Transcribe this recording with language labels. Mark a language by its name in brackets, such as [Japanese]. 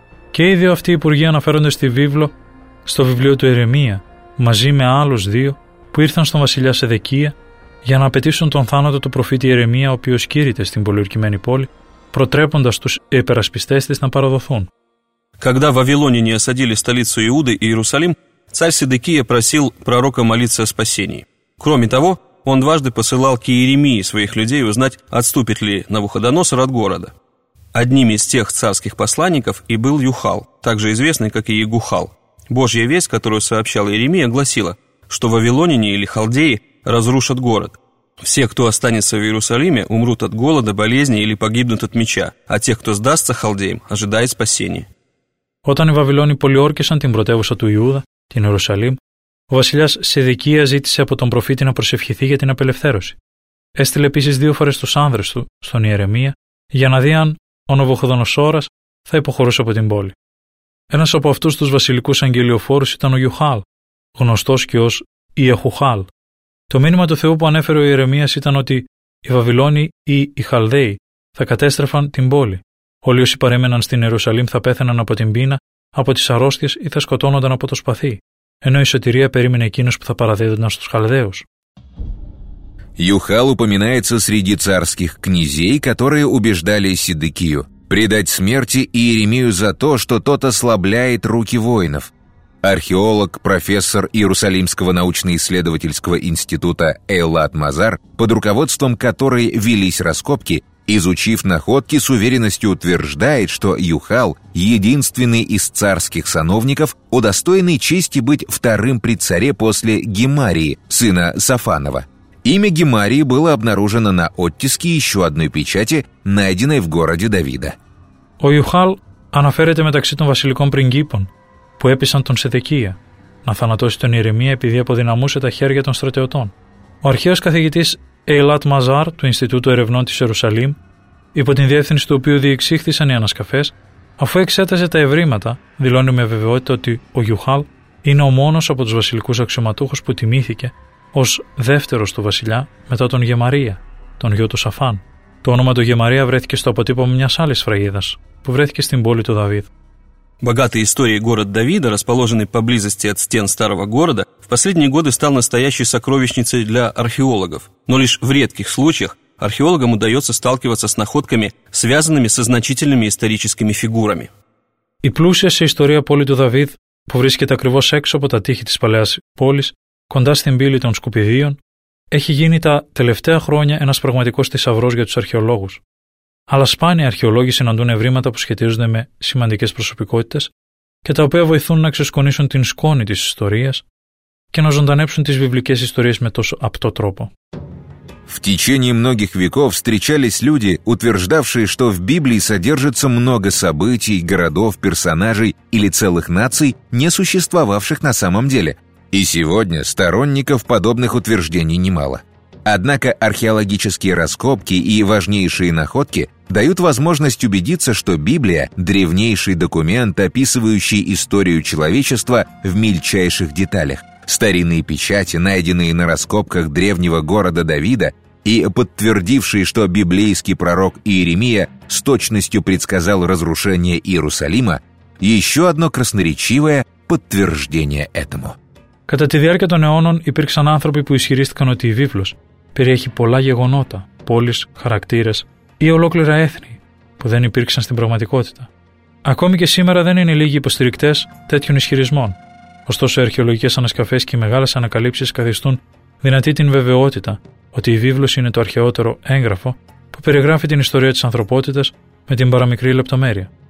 [Greek] Και οι δύο αυτοί υπουργοί αναφέρονται στη βίβλο, στο βιβλίο του Ιερεμία, μαζί με άλλους δύο που ήρθαν στον βασιλιά Σεδεκία για να απαιτήσουν τον θάνατο του προφήτη Ιερεμία, ο οποίος κήρυτε στην πολιορκημένη πόλη, протрепонда стус эпераспистестис на парадофон. [Russian] Когда вавилоняне осадили столицу Иуды и Иерусалим, царь Сидекия просил пророка молиться о спасении. Кроме того, он дважды посылал к Иеремии своих людей узнать, отступит ли Навуходоносор от города. Одним из тех царских посланников и был Юхал, также известный как Иегухал. Божья весть, которую сообщала Иеремия, гласила, что вавилоняне или халдеи разрушат город. Все, кто останется в Иерусалиме, умрут от голода, болезни или погибнут от меча, а те, кто сдастся халдеям, ожидает спасения. [Greek] Όταν οι Βαβυλώνοι πολιόρκησαν την πρωτεύουσα του Ιούδα, την Ιερουσαλήμ, ο βασιλιάς Σιδικία ζήτησε από τον προφήτη να προσευχηθεί για την απελευθέρωση. Έστειλε επίσης δύο φορές τους άνδρες του στον Ιερεμία για να δει αν ο Ναβουχοδονοσόρας θα υποχωρούσε από την πόλη. Ένας από αυτούς τους βασιλικούς αγγελιοφόρους ήταν ο Γιουχάλ, γνωστός και ως Ιεχουχάλ. Το μήνυμα του Θεού που ανέφερε ο Ιερεμίας ήταν ότι οι Βαβυλώνοι ή οι Χαλδαίοι θα κατέστρεφαν την πόλη. Όλοι όσοι παρέμεναν στην Ιερουσαλήμ θα πέθαιναν από την πείνα, από τις αρρώστιες ή θα σκοτώνονταν από το σπαθί. Ενώ η σωτηρία περίμενε εκείνους που θα παραδίδονταν στους Χαλδαίους. [Russian] Юхал упоминается среди царских князей, которые убеждали Сидекию предать смерти Иеремию за то, что тот ослабляет руки воинов. Археолог, профессор Иерусалимского научно-исследовательского института Эйлат Мазар, под руководством которой велись раскопки, изучив находки, с уверенностью утверждает, что Юхал – единственный из царских сановников, удостоенный чести быть вторым при царе после Гемарии, сына Сафанова. Имя Гемарии было обнаружено на оттиске еще одной печати, найденной в городе Давида. [Greek] О Юхал анаферете мэтакси тон василиком прингипон, που έπεισαν τον Σιδικία να θανατώσει τον Ιερεμία επειδή αποδυναμούσε τα χέρια των στρατιωτών. Ο αρχαίος καθηγητής Έιλατ Μαζάρ του Ινστιτούτου Ερευνών της Ιερουσαλήμ, υπό την διεύθυνση του οποίου διεξήχθησαν οι ανασκαφές, αφού εξέτασε τα ευρήματα, δηλώνει με βεβαιότητα ότι ο Γιουχάλ είναι ο μόνος από τους βασιλικούς αξιωματούχους που τιμήθηκε ως δεύτερος του βασιλιά μετά τον Γεμαρία, τον γιο του Σαφάν. Το όνομα του Γεμαρία βρέθηκε στο αποτύπωμα μιας άλλης σφραγίδας που βρέθηκε στην πόλη του Δαβίδ. [Russian] Богатый историей город Давида, расположенный поблизости от стен старого города, в последние годы стал настоящей сокровищницей для археологов. Но лишь в редких случаях археологам удается сталкиваться с находками, связанными со значительными историческими фигурами. [Greek] Η πλούσια σε ιστορία πόλη του Δαβίδ, που βρίσκεται ακριβώς έξω από τα τείχη της παλαιάς πόλης, κοντά στην πύλη των Σκουπιδίων, έχει γίνει τα τελευταία χρόνια ένας πραγματικός θησαυρός για τους αρχαιολόγους. Αλλά σπάνια αρχαιολόγοι συναντούν ευρήματα που σχετίζονται με σημαντικές προσωπικότητες και τα οποία βοηθούν να ξεσκονίσουν την σκόνη της ιστορίας και να ζωντανέψουν τις βιβλικές ιστορίες με τόσο απτό τρόπο. [Russian] В течение многих веков встречались люди, утверждавшие, что в Библии содержится много событий, городов, персонажей или целых наций, не существовавших на самом деле. И сегодня сторонников подобных утверждений немало. Однако археологические раскопки и важнейшие находки дают возможность убедиться, что Библия – древнейший документ, описывающий историю человечества в мельчайших деталях. Старинные печати, найденные на раскопках древнего города Давида и подтвердившие, что библейский пророк Иеремия с точностью предсказал разрушение Иерусалима, еще одно красноречивое подтверждение этому. [Greek] Κατά τη διάρκεια των αιώνων υπήρξαν άνθρωποι που ισχυρίστηκαν ότι η Βίβλος περιέχει πολλά γεγονότα, πόλεις, χαρακτήρες ή ολόκληρα έθνη που δεν υπήρξαν στην πραγματικότητα. Ακόμη και σήμερα δεν είναι λίγοι υποστηρικτές τέτοιων ισχυρισμών. Ωστόσο, οι αρχαιολογικές ανασκαφές και οι μεγάλες ανακαλύψεις καθιστούν δυνατή την βεβαιότητα ότι η Βίβλος είναι το αρχαιότερο έγγραφο που περιγράφει την ιστορία της ανθρωπότητας με την παραμικρή λεπτομέρεια.